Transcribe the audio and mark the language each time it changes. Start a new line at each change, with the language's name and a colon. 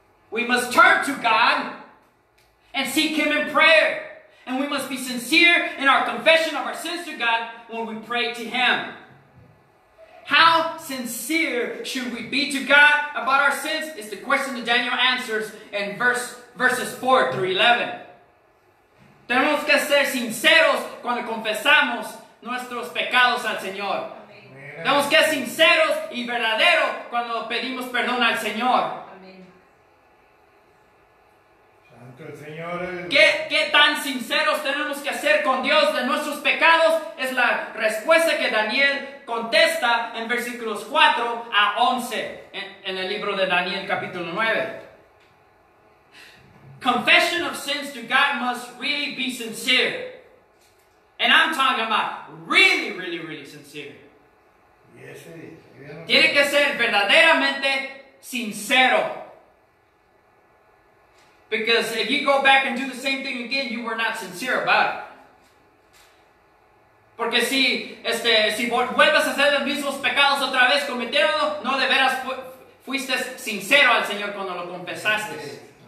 English: We must turn to God and seek Him in prayer. And we must be sincere in our confession of our sins to God when we pray to Him. How sincere should we be to God about our sins is the question that Daniel answers in verses 4 through 11.
Spanish: Tenemos que ser sinceros cuando confesamos nuestros pecados al Señor. Tenemos que ser sinceros y verdaderos cuando pedimos perdón al Señor. Señor, ¿Qué tan sinceros tenemos que ser con Dios de nuestros pecados? Es la respuesta que Daniel contesta en versículos 4 a 11 en el libro de Daniel capítulo 9.
English: Confession of sins to God must really be sincere. And I'm talking about really, really, really sincere. Yes,
Spanish: tiene que ser verdaderamente sincero.
English: Because if you go back and do the same thing again, you were not sincere about it.
Spanish: Porque si vuelves a hacer los mismos pecados otra vez cometiendo, no de veras fuiste sincero al Señor cuando lo confesaste.